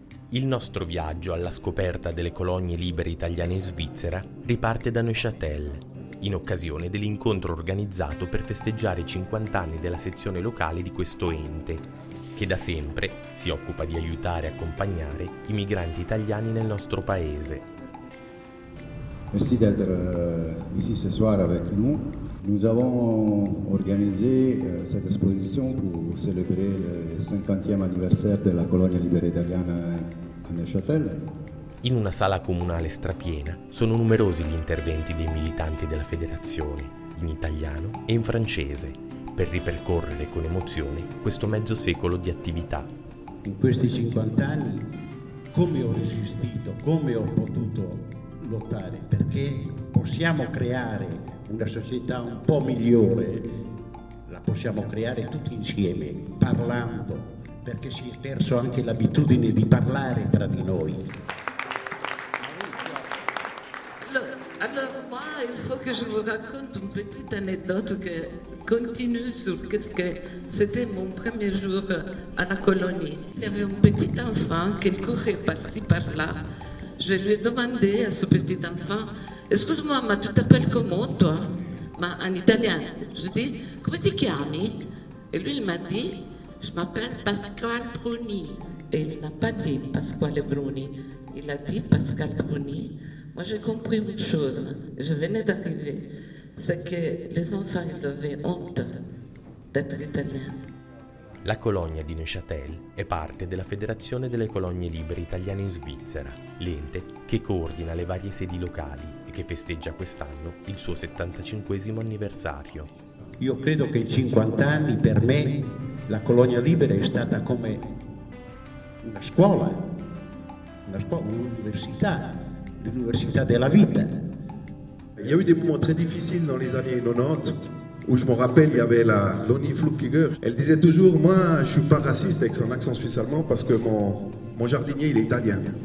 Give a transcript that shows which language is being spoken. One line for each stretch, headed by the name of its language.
Italian: Il nostro viaggio alla scoperta delle colonie libere italiane in Svizzera riparte da Neuchâtel, in occasione dell'incontro organizzato per festeggiare i 50 anni della sezione locale di questo ente, che da sempre si occupa di aiutare e accompagnare i migranti italiani nel nostro paese.
French: Merci d'être ici ce soir avec nous. Nous avons organisé cette exposition pour célébrer le 50e anniversaire de la colonia libera italiana a Neuchâtel.
Italian: In una sala comunale strapiena sono numerosi gli interventi dei militanti della federazione, in italiano e in francese, per ripercorrere con emozione questo mezzo secolo di attività. In questi 50 anni come ho resistito, come ho potuto lottare, perché possiamo creare una società un po' migliore, la possiamo creare tutti insieme, parlando, perché si è perso anche l'abitudine di parlare tra di noi.
French: Allora, moi, il faut que je vous raconte une petite anecdote qui continue sur qu'est-ce que c'était mon premier jour à la colonie. Il y avait un petit enfant qui courait par-ci, par-là. Je lui ai demandé à ce petit enfant, excuse-moi, mais tu t'appelles comment toi? Mais en italien, je dis,
Italian: come ti chiami?
French: Et lui, il m'a dit, je m'appelle Pascal Bruni. Et il n'a pas dit Pasquale Bruni, il a dit Pascal Bruni. Moi, j'ai compris une chose, je venais d'arriver, c'est que les enfants, ils avaient honte d'être italiens.
Italian: La colonia di Neuchâtel è parte della Federazione delle Colonie Libere Italiane in Svizzera, l'ente che coordina le varie sedi locali e che festeggia quest'anno il suo 75esimo anniversario. Io credo che in 50 anni per me la colonia libera è stata come una scuola, un'università della vita.
French: Il y a eu des moments très difficiles dans les années 90. Où je me rappelle, il y avait la Lonnie Flugkiger. Elle disait toujours, moi, je suis pas raciste avec son accent suisse-allemand parce que mon jardinier, il est italien.